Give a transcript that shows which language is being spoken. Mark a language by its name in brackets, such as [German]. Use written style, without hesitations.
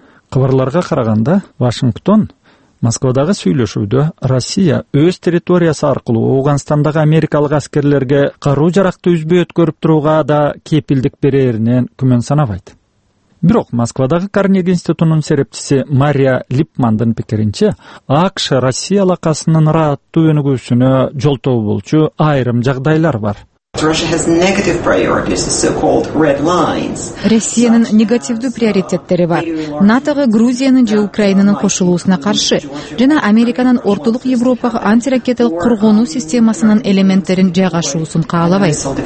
[Kyrgyz] Кабарларга караганда Вашингтон Москвадагы сүйлөшүүдө Россия өз территориясы аркылуу Ауганстандагы америкалык аскерлерге каруу жаракты үзбөй өткөрүп турууга да кепилдик берээринен күмөн санабайт. Бирок Москвадагы Карнеги институтунун серепчиси Мария Липмандын пикиринче, АКШ Россия алакасынын ыраттуу өнүгүүсүнө жолтоо болчу айрым жагдайлар бар. [English] Russia has negative priorities, the so-called red lines. [Kyrgyz] Россиянын негативдүү приоритеттери бар. НАТОго Грузиянын же Украинанын кошулуусуна каршы жана Американын Ортолук Европага антиракеталык коргонуу системасынын элементтерин жайгашуусун каалабайт.